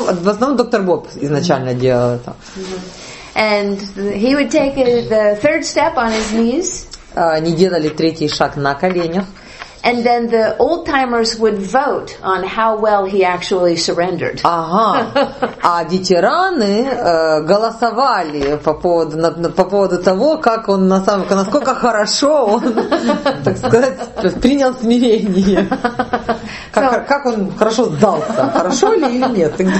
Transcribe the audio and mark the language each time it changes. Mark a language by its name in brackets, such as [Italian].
[Russian] Ну, в основном доктор Боб изначально делал это. [English] And he would take the third step on his knees. [Russian] Они делали третий шаг на коленях. [English] And then the old timers would vote on how well he actually surrendered. [Russian] Ага. А ветераны голосовали по поводу того, как он насколько хорошо он, так сказать, принял смирение. Как он хорошо сдался, хорошо ли или нет?